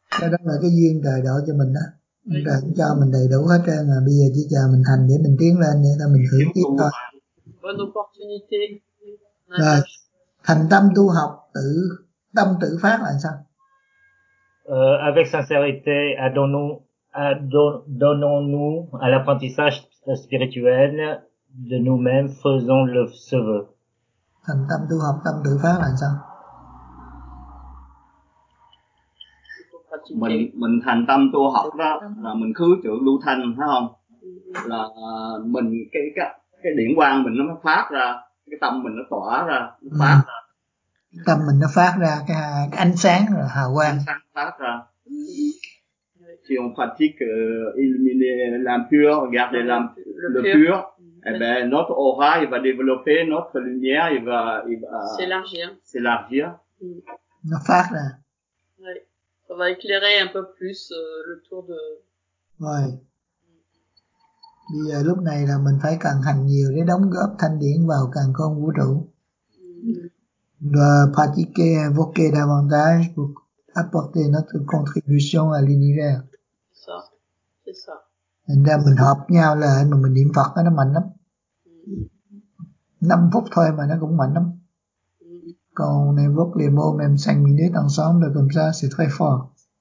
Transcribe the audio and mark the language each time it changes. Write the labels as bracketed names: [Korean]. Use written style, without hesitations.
[Vietnamese] Cái đó là cái duyên trời độ cho mình đó. Chúng ta cho mình đầy đủ hết trơn, bây giờ chỉ chờ mình hành để mình tiến lên, để là mình hưởng tiếp thôi. [French] Bonne opportunité. [Vietnamese] Rồi. Thành tâm tu học, tâm tự phát là sao? [French] Avec sincérité, donnons-nous à l'apprentissage spirituel de nous-mêmes, faisons le ce vœu. [Vietnamese] Thành tâm tu học, tâm tự phát là sao? Mình thành tâm tu học đó là mình khứ trụ lưu thanh, phải không? Là mình cái điện quang mình nó phát ra, cái tâm mình nó tỏa ra, tâm mình nó phát ra cái ánh sáng rồi hào quang. Ánh sáng phát ra. [French] Si on pratique illuminer l'impur, garder le pur, et ben notre aura il va développer notre lumière, il va s'élargir. [Vietnamese] Nó phát ra. [French] Ça va éclairer un peu plus le tour de. Ouais. [Vietnamese] Bây giờ lúc này là mình phải cần hành nhiều để đóng góp thanh điển vào càn khôn vũ trụ. [French] De pratiquer, invoquer davantage pour apporter notre contribution à l'univers. C'est ça. [Vietnamese] Nên mình hợp nhau là mình niệm Phật nó mạnh lắm. 5 phút thôi mà nó cũng mạnh lắm. [French] Quand on invoque les mots même 5 minutes ensemble comme ça, c'est très fort.